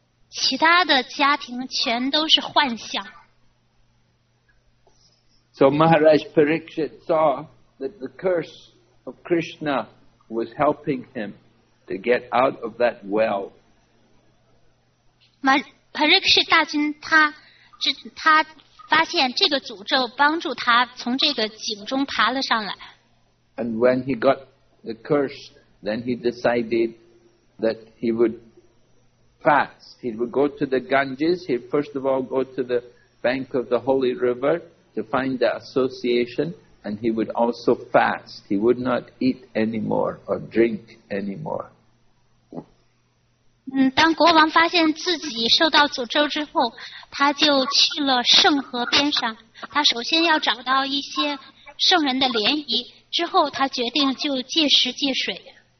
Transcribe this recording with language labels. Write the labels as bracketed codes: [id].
[zh] 其他的家庭全都是幻象。 [en] So Maharaj Parikshit saw that the curse of Krishna was helping him to get out of that well. [zh] Parikshit 大君他发现这个诅咒帮助他从这个井中爬了上来。 [en] And when he got the curse, then he decided that he would fast. He would go to the Ganges. He'd first of all go to the bank of the holy river to find the association. And he would also fast. He would not eat anymore or drink anymore. [zh] 当国王发现自己受到诅咒之后，他就去了圣河边上。他首先要找到一些圣人的联谊，之后他决定就戒食戒水。